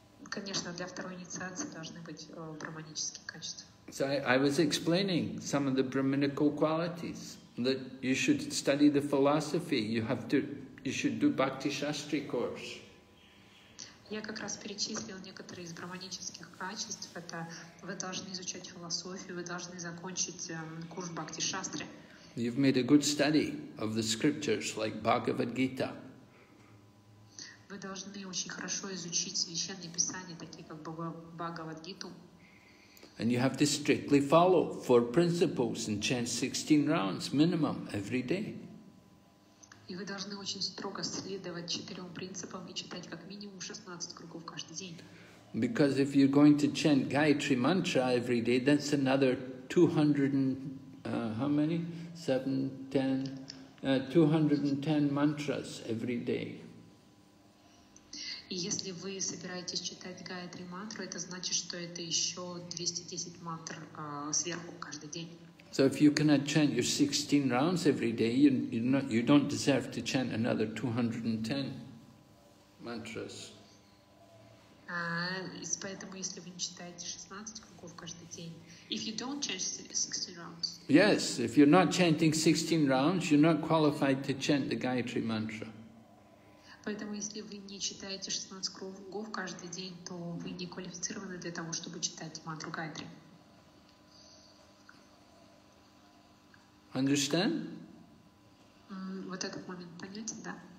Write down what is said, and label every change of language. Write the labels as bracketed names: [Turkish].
[Russian] Конечно, для второй инициации должны быть брахманические качества. [English] So I was explaining some of the brahminical qualities that you should study the philosophy. You should do Bhakti Shastri course. [Russian] Я как раз перечислил некоторые из брахманических качеств. Это вы должны изучать философию, вы должны закончить курс Бхакти Шастри. [English] You've made a good study of the scriptures, like Bhagavad Gita. [Russian] Вы должны очень хорошо изучить священные писания, такие как Бхагавад-гиту. [English] And you have to strictly follow four principles and chant 16 rounds minimum every day. [Russian] И вы должны очень строго следовать четырем принципам и читать как минимум 16 кругов каждый день. [English] Because if you're going to chant Gayatri Mantra every day, that's another 210 mantras every day. [Russian] И если вы собираетесь читать Гаятри мантру, это значит, что это еще 210 мантр сверху каждый день. [English] So if you cannot chant your 16 rounds every day, you don't deserve to chant another 210 mantras. [Russian] Поэтому если вы не читаете 16 кругов каждый день, [English] if you don't chant 16 rounds. Yes, if you're not chanting 16 rounds, you're not qualified to chant the Gayatri mantra. [Russian] Поэтому, если вы не читаете 16 кругов каждый день, то вы не квалифицированы для того, чтобы читать мантру Гайдри. [English] Understand? [Russian] Вот этот момент понятен, да?